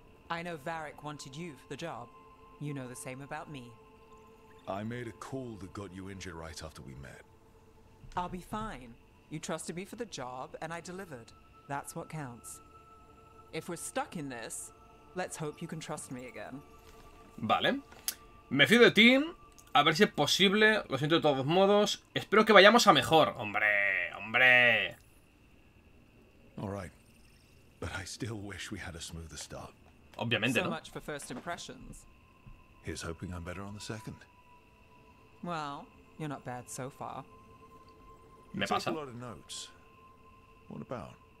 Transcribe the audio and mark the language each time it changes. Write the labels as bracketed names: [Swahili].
[English] I know Varric wanted you for the job. You know the same about me. I made a call that got you injured right after we met. I'll be fine. You trusted me for the job, and I delivered. That's what counts. If we're stuck in this, let's hope you can trust me again. [Spanish] Vale, me fío de ti, a ver si es posible, lo siento de todos modos, espero que vayamos a mejor, hombre. [English] All right. But I still wish we had a smoother start. [Spanish] Obviamente, [English] so [Spanish] ¿no? [English] Much for first impressions. He's hoping I'm better on the second. Well, you're not bad so far. [Spanish] Me pasa. [English] A lot of notes. What about?